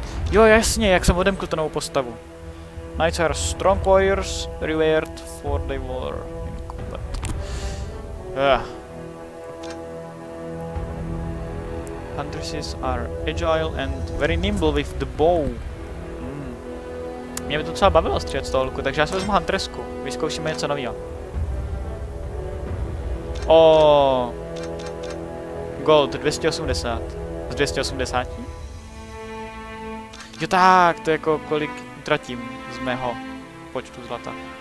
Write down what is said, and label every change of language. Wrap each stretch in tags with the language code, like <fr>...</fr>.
<cs>Jo, jasně, jak jsem odemkl tu novou postavu.</cs> <en>Knights are strong warriors, revered for the war in combat. Huntresses are agile and very nimble with the bow.</en> <cs>Mě by to docela bavilo střílet z toho luku, takže já si vezmu Huntressku. Vyzkoušíme něco novýho.</cs> <en>Oh, gold, 280.</en> <cs>Z 280? Jo tak, to jako kolik tratím z mého počtu zlata.</cs>